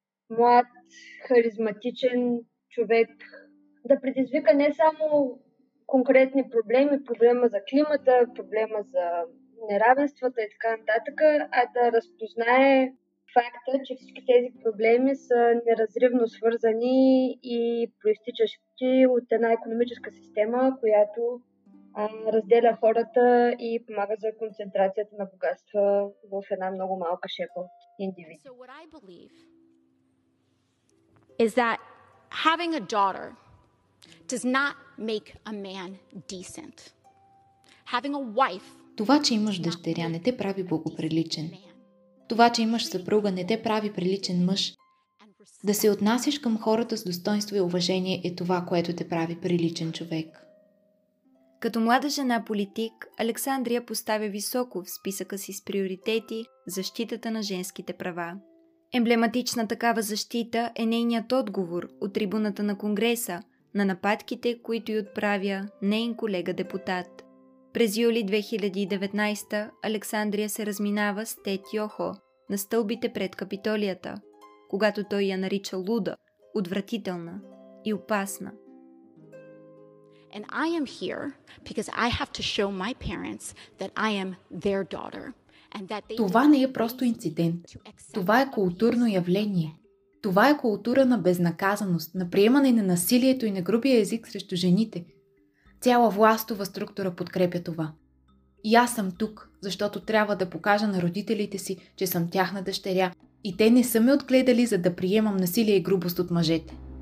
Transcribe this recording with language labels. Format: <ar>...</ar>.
<bg>млад, харизматичен човек, да предизвика не само конкретни проблеми, проблема за климата, проблема за неравенствата и така нататък, а да разпознае факта, че всички тези проблеми са неразривно свързани и проистичащи от една икономическа система, която разделя хората и помага за концентрацията на богатства в една много малка шепа от индивиди.</bg> <en>So what I believe is that having a daughter does not make a man decent. Having a wife.</en> <bg>Това, че имаш дъщеря, не те прави благоприличен. Това, че имаш съпруга, не те прави приличен мъж. Да се отнасиш към хората с достоинство и уважение е това, което те прави приличен човек. Като млада жена политик, Александрия поставя високо в списъка си с приоритети защитата на женските права. Емблематична такава защита е нейният отговор от трибуната на Конгреса на нападките, които й отправя нейн колега депутат. През юли 2019 Александрия се разминава с Тед Йохо на стълбите пред Капитолията, когато той я нарича луда, отвратителна и опасна.</bg> <en>And I am here because I have to show my parents that I am their daughter and that they...</en> <bg>Това не е просто инцидент. Това е културно явление. Това е култура на безнаказаност, на приемане на насилието и на грубия език срещу жените. Цяла властова структура подкрепя това. И аз съм тук, защото трябва да покажа на родителите си, че съм тяхна дъщеря и те не са ме отгледали, за да приемам насилие и грубост от мъжете.</bg>